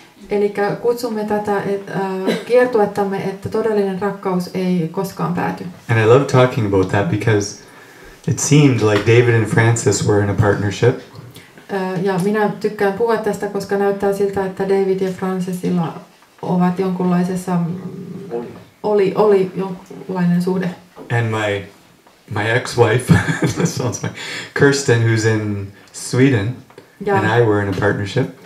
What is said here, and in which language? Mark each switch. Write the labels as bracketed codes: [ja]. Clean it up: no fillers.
[fi] Elikkä kutsumme tätä kiertuettamme, että todellinen rakkaus ei koskaan pääty. [en] And I love talking about that because it seemed like David and Francis were in a partnership. [fi] Ja minä tykkään puhua tästä, koska näyttää siltä, että David ja Francisilla ovat jonkunlaisessa oli jonkunlainen suhde. [en] And my ex-wife, this sounds like Kirsten, who's in Sweden, ja, and I were in a partnership.